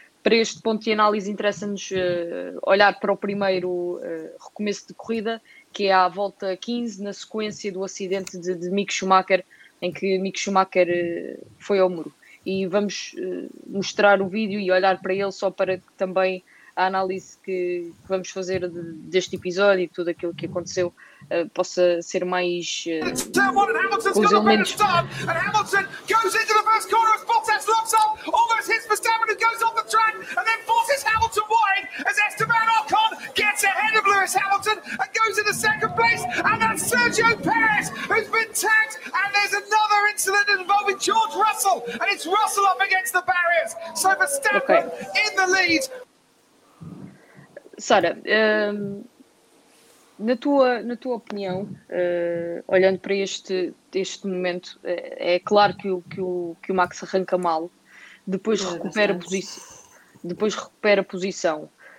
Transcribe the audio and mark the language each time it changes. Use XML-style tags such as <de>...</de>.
<pt>Para este ponto de análise interessa-nos olhar para o primeiro recomeço de corrida, que é à volta 15, na sequência do acidente de Mick Schumacher, em que Mick Schumacher foi ao muro. E vamos mostrar o vídeo e olhar para ele só para que também... a análise que vamos fazer deste episódio e tudo aquilo que aconteceu possa ser mais os elementos.</pt> <en>Hamilton goes into the first corner as Bottas locks up, almost hits Verstappen, who goes off the track and then forces Hamilton wide as Esteban Ocon gets ahead of Lewis Hamilton and goes into second place and Sergio Perez, who's been tagged, and there's another incident involving George Russell, and it's Russell up against the barriers. So Verstappen okay. in the lead.</en> <pt>Sara, na tua opinião, olhando para este momento, é claro que o Max arranca mal, depois recupera a posição.</pt>